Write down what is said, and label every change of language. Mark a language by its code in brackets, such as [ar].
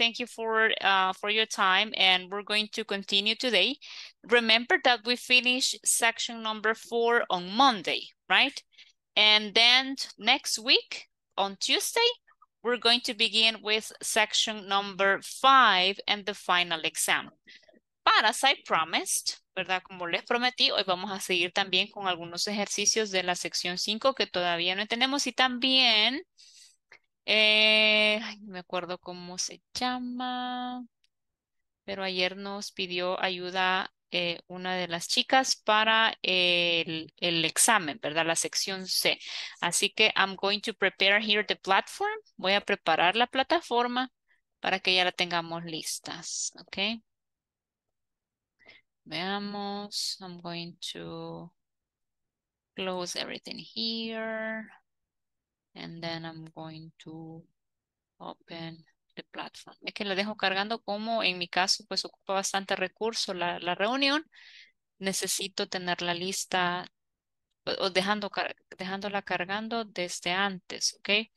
[en] Thank you for your time. And we're going to continue today. Remember that we finished section number 4 on Monday, right? And then next week on Tuesday, we're going to begin with section number 5 and the final exam. But as I promised, [es] ¿verdad? Como les prometí, hoy vamos a seguir también con algunos ejercicios de la sección 5 que todavía no tenemos. Y también, me acuerdo cómo se llama, pero ayer nos pidió ayuda una de las chicas para el examen, ¿verdad? La sección C. Así que [en] I'm going to prepare here the platform. [es] Voy a preparar la plataforma para que ya la tengamos listas, ¿ok? Veamos, [en] I'm going to close everything here, and then I'm going to open the platform. [es] Es que la dejo cargando como en mi caso, pues ocupa bastante recurso la reunión. Necesito tener la lista, o dejándola cargando desde antes, ¿ok?